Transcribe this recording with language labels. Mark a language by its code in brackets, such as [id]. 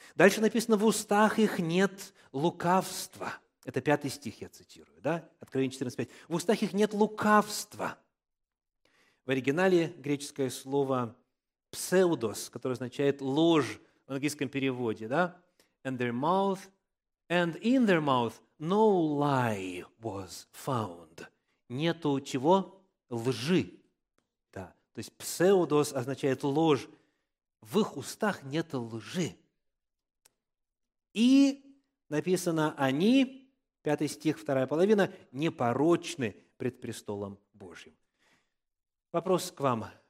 [ru] Дальше написано, в устах их нет лукавства. Это пятый стих я цитирую, да? Откровение 14:5. В устах их нет лукавства. В оригинале греческое слово псевдос, которое означает ложь в английском переводе, да? [en] And their mouth, and in their mouth no lie was found. [ru] Нету чего? Лжи. Да. То есть псевдос означает ложь. В их устах нет лжи. И написано, они, пятый стих, вторая половина, непорочны пред престолом Божьим. Вопрос к вам.